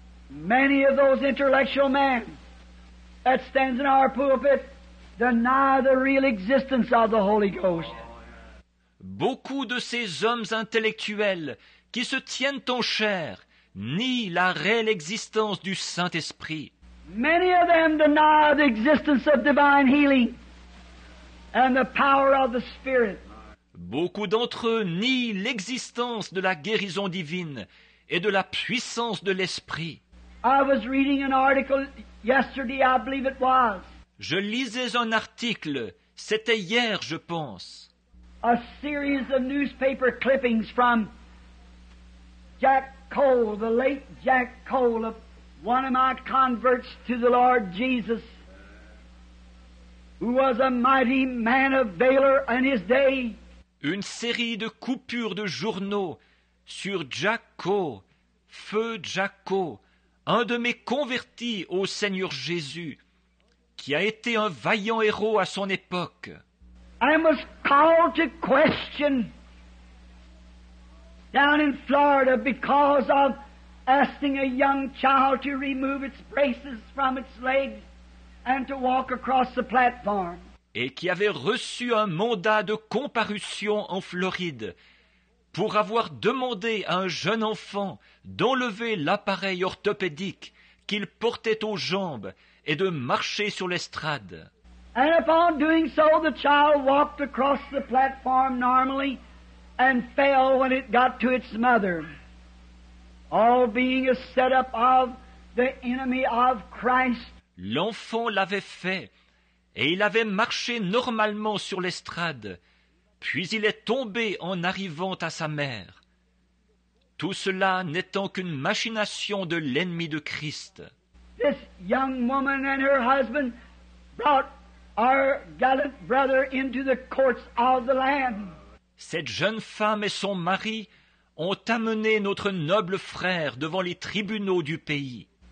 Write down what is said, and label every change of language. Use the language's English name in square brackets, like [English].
[English] Many of those intellectual men that stands in our pulpit deny the real existence of the Holy Ghost. [French] Beaucoup de ces hommes intellectuels qui se tiennent en chair nient la réelle existence du Saint-Esprit. [English] Many of them deny the existence of divine healing and the power of the Spirit. [French] Beaucoup d'entre eux nient l'existence de la guérison divine et de la puissance de l'Esprit. [English] I was reading an article yesterday, I believe it was. [French] Je lisais un article, c'était hier, je pense. [English] A series of newspaper clippings from Jack Cole, the late Jack Cole, one of my converts to the Lord Jesus, who was a mighty man of valor in his day. [French] Une série de coupures de journaux sur Jacko, feu Jacko, un de mes convertis au Seigneur Jésus, qui a été un vaillant héros à son époque. [English] I was called to question down in Florida because of asking a young child to remove its braces from its legs and to walk across the platform. [French] Et qui avait reçu un mandat de comparution en Floride pour avoir demandé à un jeune enfant d'enlever l'appareil orthopédique qu'il portait aux jambes et de marcher sur l'estrade. [English] And upon doing so, the child walked across the platform normally and fell when it got to its mother. All being a setup of the enemy of Christ. [French] L'enfant l'avait fait, et il avait marché normalement sur l'estrade, puis il est tombé en arrivant à sa mère. Tout cela n'étant qu'une machination de l'ennemi de Christ. [English] This young woman and her husband brought our gallant brother into the courts of the Lamb. [French] Cette jeune femme et son mari ont amené notre noble frère devant les tribunaux du pays.